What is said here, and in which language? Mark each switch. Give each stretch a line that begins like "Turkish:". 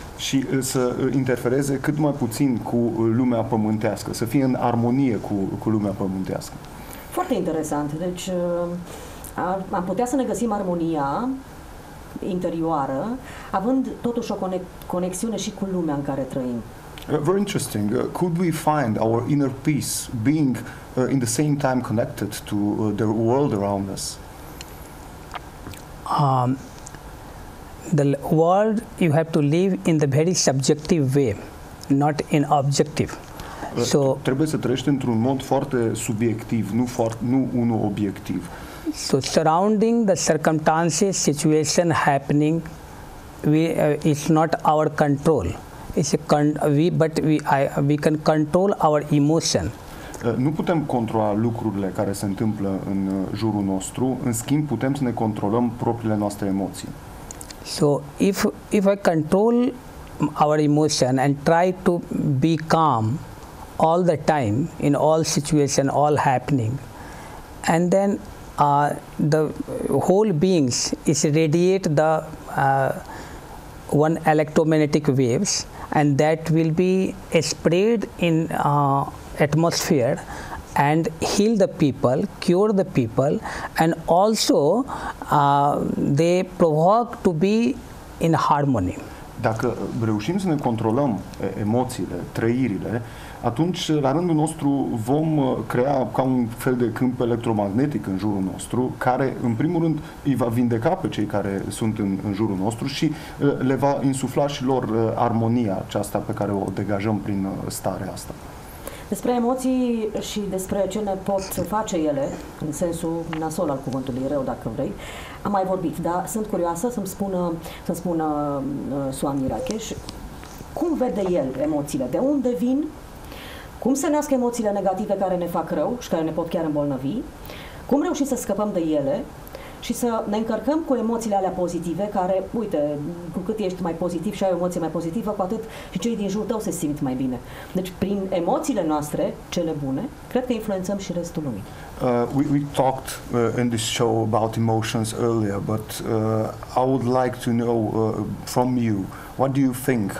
Romanian: Și să interfereze cât mai puțin cu lumea pământească, să fie în armonie cu lumea pământească. Foarte interesant. Deci, am putea să ne găsim armonia interioară, având totuși o conexiune și cu lumea în care trăim.
English: Very interesting. Could we find our inner peace being in the same time connected to the world around us? the world you have to live in the very subjective way, not in objective.
Romanian: So trebuie să trăiești într-un mod foarte subiectiv, nu unul obiectiv.
English: So surrounding the circumstances, situation happening, it's not our control. We can control our emotion.
Romanian: Nu putem controla lucrurile care se întâmplă în jurul nostru, în schimb putem să ne controlăm propriile noastre emoții.
English: So if I control our emotion and try to be calm all the time in all situation, all happening, and then the whole beings is radiate the one electromagnetic waves, and that will be spread in atmosphere and heal the people, cure the people, and also they provoke to be in harmony.
Romanian: Dacă reușim să ne controlăm emoțiile, trăirile, atunci la rândul nostru vom crea ca un fel de câmp electromagnetic în jurul nostru, care în primul rând îi va vindeca pe cei care sunt în jurul nostru și le va insufla și lor armonia aceasta pe care o degajăm prin starea asta. Despre emoții și despre ce ne pot face ele, în sensul nasol al cuvântului rău, dacă vrei, am mai vorbit, dar sunt curioasă să-mi spună Swami Rakesh, cum vede el emoțiile, de unde vin, cum se nasc emoțiile negative care ne fac rău și care ne pot chiar îmbolnăvi, cum reușim să scăpăm de ele și să ne încărcăm cu emoțiile alea pozitive care, uite, cu cât ești mai pozitiv și ai o emoție mai pozitivă, cu atât și cei din jurul tău se simt mai bine. Deci, prin emoțiile noastre, cele bune, cred că influențăm și restul lumii.
English: We talked in this show about emotions earlier, but I would like to know from you, what do you think?